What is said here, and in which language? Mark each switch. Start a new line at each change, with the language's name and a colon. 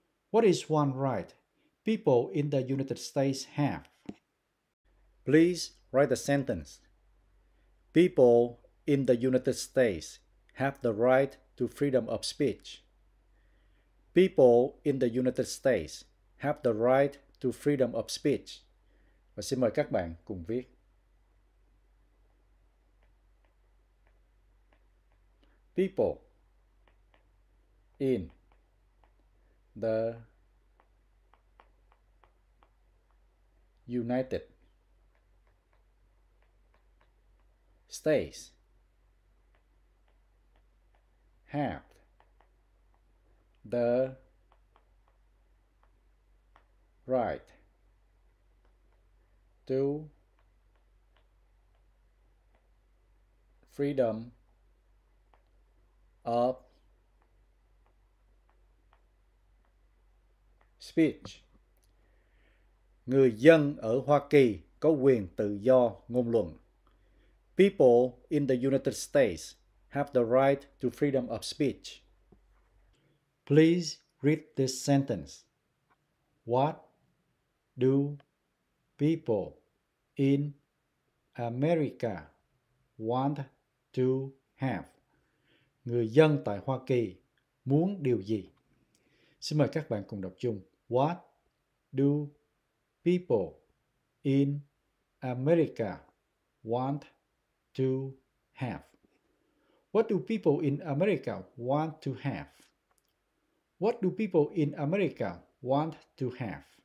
English: What is one right people in the United States have? Please write the sentence. People in the United States have the right to freedom of speech. People in the United States have the right to freedom of speech.
Vietnamese: Và xin mời các bạn cùng viết.
English: People in the United States have the right to freedom of speech.
Vietnamese: Người dân ở Hoa Kỳ có quyền tự do ngôn luận.
English: People in the United States have the right to freedom of speech. Please read this sentence. What do people in America want to have?
Vietnamese: Người dân tại Hoa Kỳ muốn điều gì? Xin mời các bạn cùng đọc chung.
English: What do people in America want to have? What do people in America want to have? What do people in America want to have?